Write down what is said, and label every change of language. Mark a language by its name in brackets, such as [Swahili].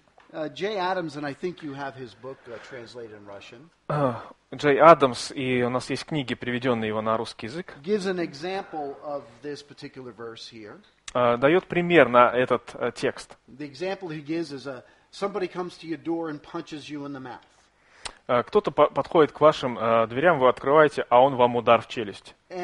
[English] Джей Адамс, and I think you have his book translated in Russian. [Russian] Джей Адамс, и у нас есть книги, переведенные его на русский язык. [English] Gives an example of this particular verse here. [Russian] Дает пример на этот текст. [English] The example he gives is somebody comes to your door and punches you in the mouth. [Russian] Кто-то подходит к вашим дверям, вы открываете, а он вам удар в челюсть.